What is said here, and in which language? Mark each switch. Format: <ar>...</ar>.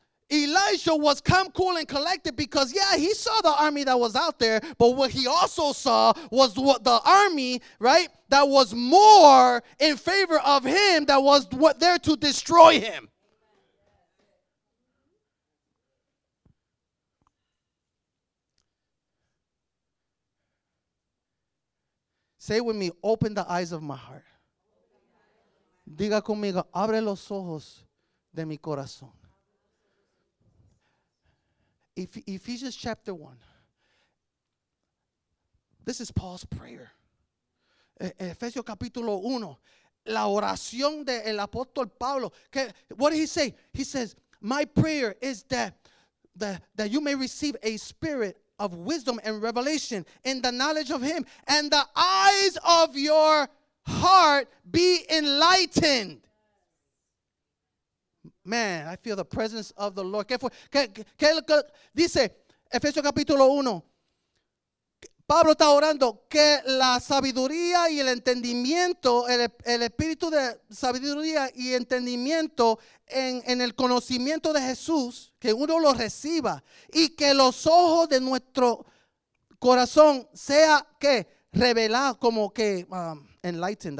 <en>Elisha was calm, cool, and collected because, yeah, he saw the army that was out there, but what he also saw was what the army, right, that was more in favor of him that was what there to destroy him. Say with me, open the eyes of my heart.</en> <es>Diga conmigo, abre los ojos de mi corazón.</es> <en>Ephesians chapter 1. This is Paul's prayer.</en> <es>Efesios capítulo 1. La oración del apóstol Pablo.</es> <en>What did he say? He says, my prayer is that you may receive a spirit of wisdom and revelation in the knowledge of him, and the eyes of your heart be enlightened. Man, I feel the presence of the Lord.</en> <es>¿Qué dice Efesios capítulo 1? Pablo está orando que la sabiduría y el entendimiento, el espíritu de sabiduría y entendimiento en el conocimiento de Jesús, que uno lo reciba y que los ojos de nuestro corazón sea que revelado, como que enlightened.</es>